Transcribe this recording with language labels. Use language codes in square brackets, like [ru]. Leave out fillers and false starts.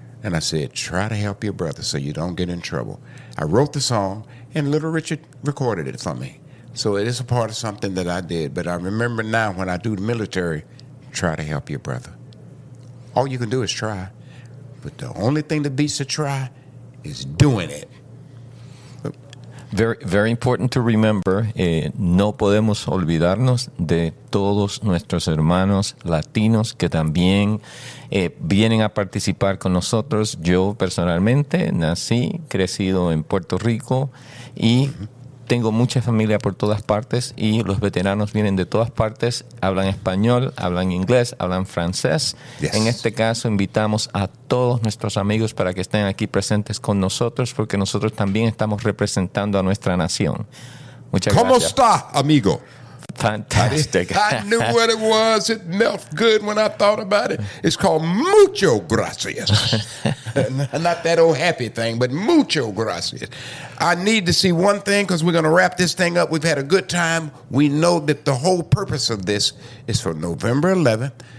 [en] And I said, try to help your brother so you don't get in trouble. I wrote the song, and Little Richard recorded it for me. So it is a part of something that I did. But I remember now when I do the military, try to help your brother. All you can do is try. But the only thing that beats a try is doing it. Very, very important to remember, [es] no podemos olvidarnos de todos nuestros hermanos latinos que también vienen a participar con nosotros. Yo personalmente nací, crecido en Puerto Rico y tengo mucha familia por todas partes, y los veteranos vienen de todas partes, hablan español, hablan inglés, hablan francés. Yes. En este caso, invitamos a todos nuestros amigos para que estén aquí presentes con nosotros, porque nosotros también estamos representando a nuestra nación. Muchas ¿Cómo gracias. ¿Cómo está, amigo? [en] Fantastic. I knew what it was. It felt good when I thought about it. It's called [es] mucho gracias. [en] Not that old happy thing, but [es] mucho gracias. [en] I need to see one thing, because we're going to wrap this thing up. We've had a good time. We know that the whole purpose of this is for November 11th.